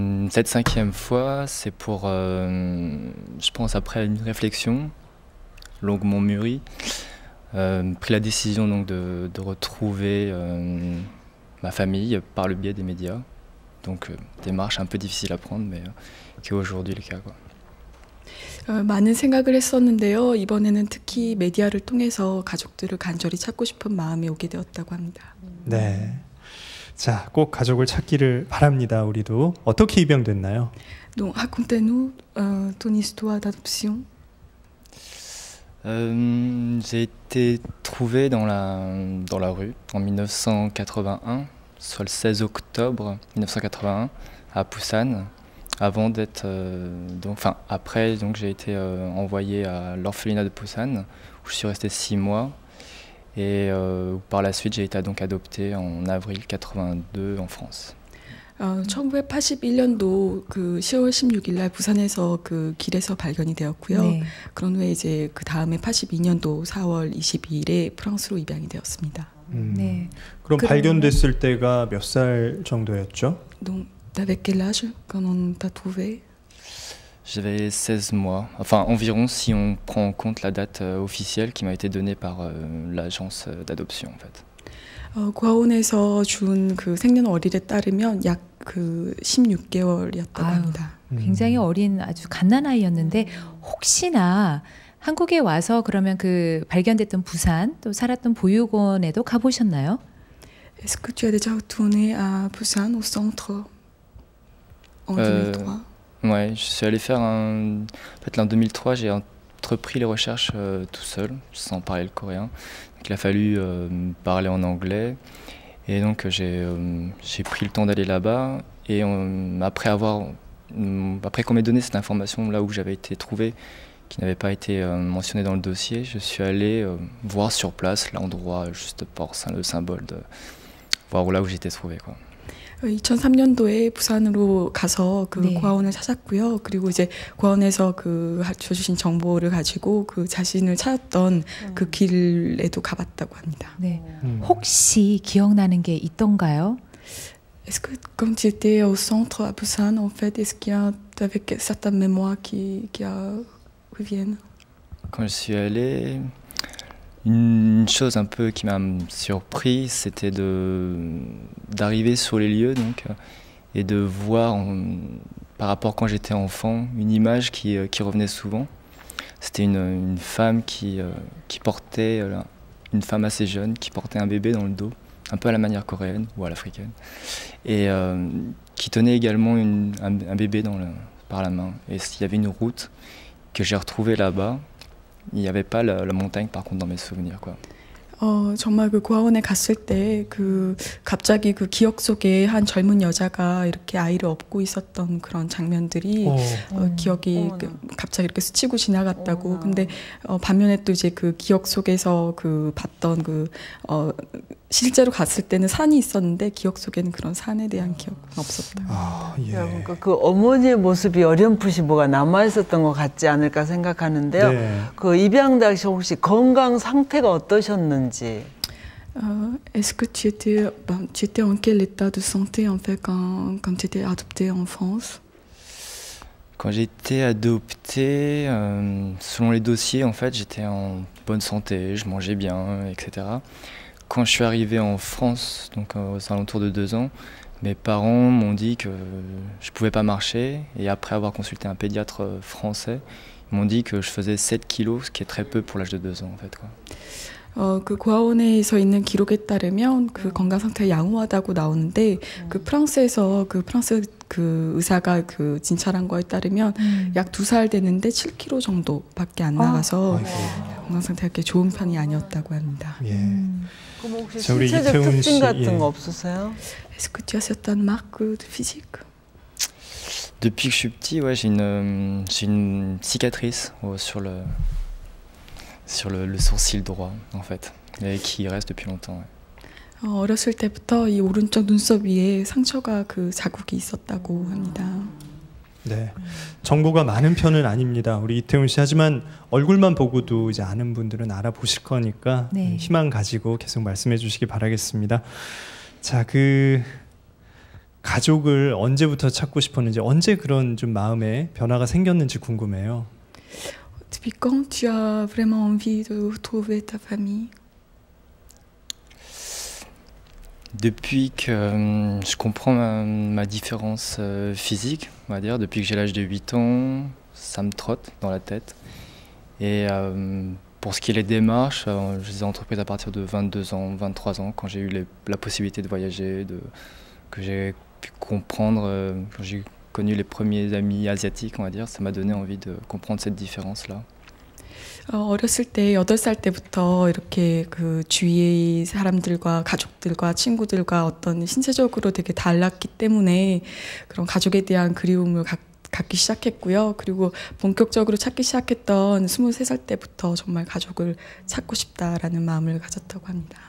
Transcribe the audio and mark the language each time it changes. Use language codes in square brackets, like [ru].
[fr] Cette cinquième fois c'est pour je pense après une réflexion longuement mûri, pris la décision donc de retrouver ma famille par le biais des médias. Donc démarche un peu difficile à prendre, mais qui est aujourd'hui le cas, quoi. [ko] 많은 생각을 했었는데요. 이번에는 특히 메디아를 통해서 가족들을 간절히 찾고 싶은 마음이 오게 되었다고 합니다. 네. 자, 꼭 가족을 찾기를 바랍니다. 우리도 어떻게 입양됐나요? [fr] Donc racontez-nous ton histoire d'adoption. J'ai été trouvé dans la rue en 1981, soit le 16 octobre 1981 à Busan, avant d'être après j'ai été envoyé à l'orphelinat de Busan où je suis resté 6 mois et par la suite j'ai été donc adopté en avril 82 en France. [ko] 1981년도 그 10월 16일 날 부산에서 그 길에서 발견이 되었고요. 네. 그런 후에 이제 그 다음에 82년도 4월 22일에 프랑스로 입양이 되었습니다. 네. 그럼 발견됐을 때가 몇 살 정도였죠? [fr] Donc, t'avais quel âge quand on t'a trouvé? J'avais 16 mois. Enfin, environ si on prend en compte la date officielle qui m'a été donnée par l'agence d'adoption en fait. [ko] 고아원에서 준 그 생년월일에 따르면 약 그 16개월이었다고 아유, 합니다. 굉장히 어린 아주 갓난아이였는데 혹시나 한국에 와서 그러면 그 발견됐던 부산 또 살았던 보육원에도 가보셨나요? [fr] Est-ce que tu as déjà retourné à Busan au centre en 2003? Ouais, je suis allé faire un. En fait, en 2003, j'ai entrepris les recherches tout seul, sans parler le coréen. Il a fallu parler en anglais et donc j'ai pris le temps d'aller là-bas et après qu'on m'ait donné cette information là où j'avais été trouvé qui n'avait pas été mentionné dans le dossier, je suis allé voir sur place l'endroit juste pour le symbole de voir où là où j'étais trouvé quoi. [ko] 2003년도에 부산으로 가서 그 네. 고아원을 찾았고요. 그리고 이제 고아원에서 그 주신 정보를 가지고 그 자신을 찾았던 그 길에도 가봤다고 합니다. 네. 혹시 기억나는 게 있던가요? [fr] Est-ce que quand tu étais au centre à Busan, en fait, est-ce qu'il y a avec certaines mémoires qui reviennent? Quand je suis allé, une chose un peu qui m'a surpris, c'était d'arriver sur les lieux donc, et de voir, par rapport quand j'étais enfant, une image qui revenait souvent. C'était une femme qui portait, une femme assez jeune, qui portait un bébé dans le dos, un peu à la manière coréenne ou à l'africaine, et qui tenait également un bébé par la main. Et il y avait une route que j'ai retrouvée là-bas. Il n'y avait pas la montagne par contre dans mes souvenirs quoi. [ko] 정말 그 고아원에 갔을 때 그 갑자기 그 기억 속에 한 젊은 여자가 이렇게 아이를 업고 있었던 그런 장면들이 기억이 갑자기 이렇게 스치고 지나갔다고. 근데 반면에 또 이제 그 기억 속에서 그 봤던 그 실제로 갔을 때는 산이 있었는데 기억 속에는 그런 산에 대한 기억은 없었다. 예. 그러니까 그 어머니의 모습이 어렴풋이 뭐가 남아있었던 것 같지 않을까 생각하는데요. 네. 그 입양 당시 혹시 건강 상태가 어떠셨는지. [fr] Est-ce que tu étais en quel état de santé en fait quand tu étais adopté en France? Quand j'étais adopté, selon les dossiers en fait, j'étais en bonne santé, je mangeais bien, etc. quand je suis arrivé en France, donc aux alentours de 2 ans, mes parents m'ont dit que je ne pouvais pas marcher. Et après avoir consulté un pédiatre français, ils m'ont dit que je faisais 7 kilos, ce qui est très peu pour l'âge de 2 ans en fait. [ko] 그 고아원에서 있는 기록에 따르면 그 건강 상태가 양호하다고 나오는데 그 프랑스에서 그 프랑스 그 의사가 그 진찰한 거에 따르면 약 2살 되는데 7kg 정도밖에 안 나가서 건강 상태가 그렇게 좋은 편이 아니었다고 합니다. 예. 그럼 혹시 신체적 특징 같은 거 없으세요? [fr] Est-ce que tu as certaines marques de physique? Depuis que je suis petit, ouais, j'ai une cicatrice sur le sourcil droit, en fait, et qui reste depuis longtemps. Ouais. [ko] 어렸을 때부터 이 오른쪽 눈썹 위에 상처가 그 자국이 있었다고 합니다. 네, 정보가 많은 편은 아닙니다. 우리 이태훈 씨 하지만 얼굴만 보고도 이제 아는 분들은 알아보실 거니까 네. 희망 가지고 계속 말씀해 주시기 바라겠습니다. 자, 그 가족을 언제부터 찾고 싶었는지 언제 그런 좀 마음에 변화가 생겼는지 궁금해요. [fr] Depuis quand tu as vraiment envie de retrouver ta famille? Depuis que je comprends ma différence physique, on va dire, depuis que j'ai l'âge de 8 ans, ça me trotte dans la tête. Et pour ce qui est des démarches, je les ai entreprises à partir de 22 ans, 23 ans, quand j'ai eu la possibilité de voyager, que j'ai pu comprendre, quand j'ai connu les premiers amis asiatiques, on va dire, ça m'a donné envie de comprendre cette différence-là. [ko] 어렸을 때, 8살 때부터 이렇게 그 주위의 사람들과 가족들과 친구들과 어떤 신체적으로 되게 달랐기 때문에 그런 가족에 대한 그리움을 갖기 시작했고요. 그리고 본격적으로 찾기 시작했던 23살 때부터 정말 가족을 찾고 싶다라는 마음을 가졌다고 합니다.